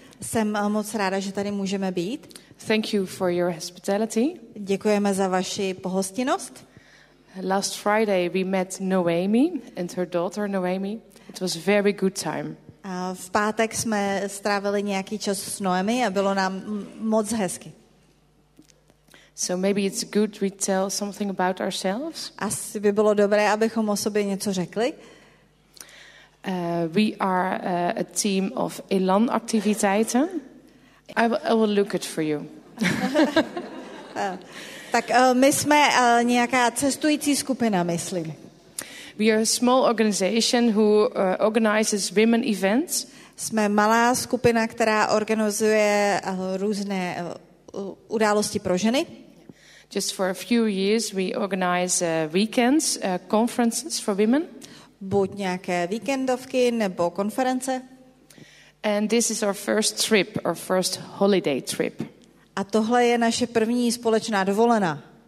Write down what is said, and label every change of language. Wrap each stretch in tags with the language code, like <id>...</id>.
<cs>Jsem moc ráda, že tady můžeme být.</cs> <en>Thank you for your hospitality.</en> <cs>Děkujeme za vaši pohostinnost.</cs> <en>Last Friday we met Noemi and her daughter Noemi. It was very good time.</en> <cs>V pátek jsme strávili nějaký čas s Noemi a bylo nám moc hezky.</cs> <en>So maybe it's good we tell something about ourselves.</en> <cs>Asi by bylo dobré, abychom o sobě něco řekli.</cs> <en>We are a team of Elan activiteiten. I will look it for you.</en> <cs>Tak my jsme nějaká cestující skupina, myslím.</cs> <en>We are a small organization who organizes women events.</en> <cs>Jsme malá skupina, která organizuje různé události pro ženy.</cs> <en>Just for a few years we organize weekends, conferences for women.</en> <cs>Buď nějaké víkendovky nebo konference.</cs> <en>And this is our first trip, our first holiday trip.</en> <cs>A tohle je naše první společná dovolená.</cs>